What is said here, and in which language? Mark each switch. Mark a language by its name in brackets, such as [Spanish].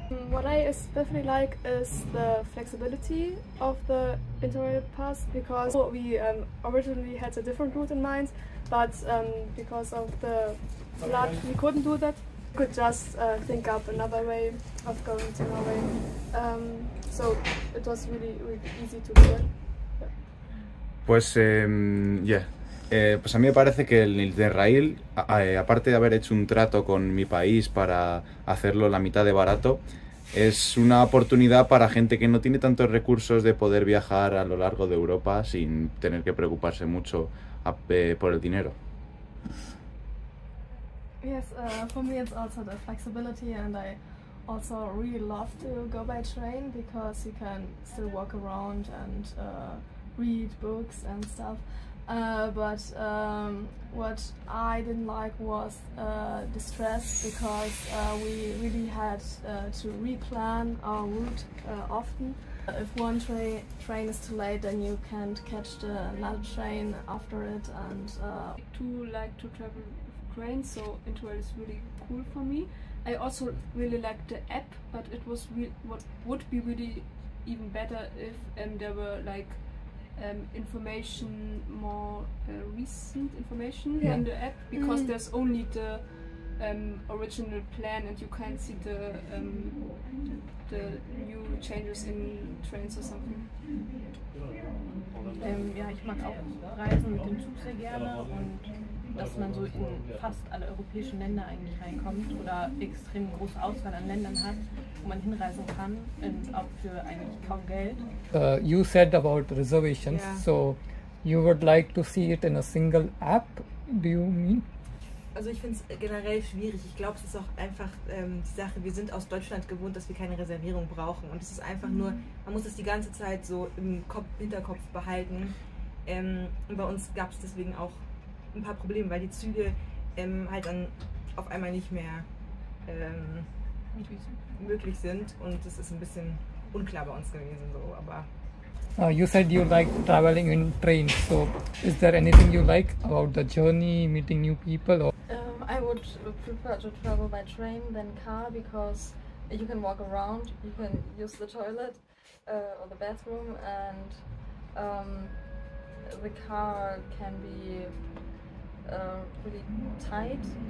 [English] What I especially like is the flexibility of the interrail pass, because we originally had a different route in mind, but because of the flood, we couldn't do that. We could just think up another way of going to Norway. So it was really, really easy to do. Pues, yeah. [Spanish] Pues a mí me parece que el interrail, aparte de haber hecho un trato con mi país para hacerlo la mitad de barato, es una oportunidad para gente que no tiene tantos recursos de poder viajar a lo largo de Europa sin tener que preocuparse mucho por el dinero. [English] Yes, for me it's also the flexibility, and I also really love to go by train because you can still walk around and read books and stuff. But what I didn't like was the stress, because we really had to replan our route often. If one train is too late, then you can't catch another train after it. And I do like to travel with trains, so interrail is really cool for me. I also really like the app, but it was what would be really even better if there were like information, more recent information in the app, because there's only the original plan and you can't see the new changes in trains or something. [German] Ja, ich mag auch Reisen mit dem Zug sehr gerne, und dass man so in fast alle europäischen Länder eigentlich reinkommt oder extrem große Auswahl an Ländern hat, wo man hinreisen kann, und auch für eigentlich kaum Geld. [English] You said about reservations, yeah. So you would like to see it in a single app, do you mean? [German] Also ich finde es generell schwierig. Ich glaube, es ist auch einfach die Sache, wir sind aus Deutschland gewohnt, dass wir keine Reservierung brauchen. Und es ist einfach nur, man muss es die ganze Zeit so im Hinterkopf behalten. Und bei uns gab es deswegen auch ein paar Probleme, weil die Züge halt dann auf einmal nicht mehr möglich sind. Und es ist ein bisschen unklar bei uns gewesen. So, aber [English] You said you like traveling in trains, so is there anything you like about the journey, meeting new people? Or? I would prefer to travel by train than car, because you can walk around, you can use the toilet or the bathroom, and the car can be really tight.